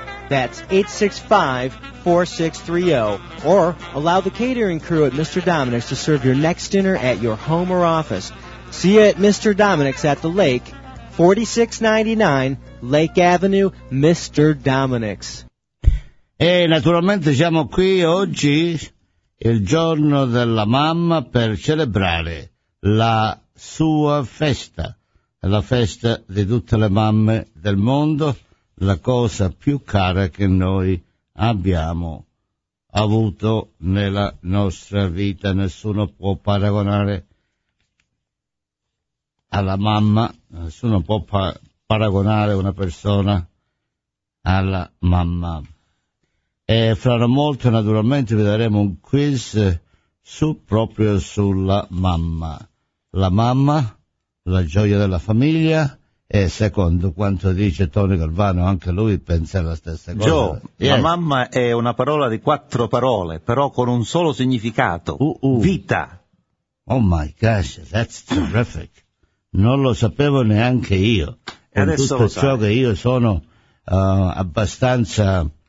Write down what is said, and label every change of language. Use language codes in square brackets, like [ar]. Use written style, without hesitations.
[en] That's 865-4630. Or allow the catering crew at Mr. Dominic's to serve your next dinner at your home or office. See you at Mr. Dominic's at the lake, 4699 Lake Avenue, Mr. Dominic's. [it] E naturalmente siamo qui oggi, il giorno della mamma, per celebrare la sua festa, la festa di tutte le mamme del mondo, la cosa più cara che noi abbiamo avuto nella nostra vita. Nessuno può paragonare alla mamma, nessuno può paragonare una persona alla mamma. E fra molto naturalmente vi daremo un quiz su, proprio sulla mamma. La mamma, la gioia della famiglia, e secondo quanto dice Tony Galvano, anche lui pensa alla stessa cosa. [en] Joe, yes. [it] La mamma è una parola di quattro parole, però con un solo significato, vita. [en] Oh my gosh, that's terrific. [it] Non lo sapevo neanche io. E adesso tutto lo sai. Ciò che io sono abbastanza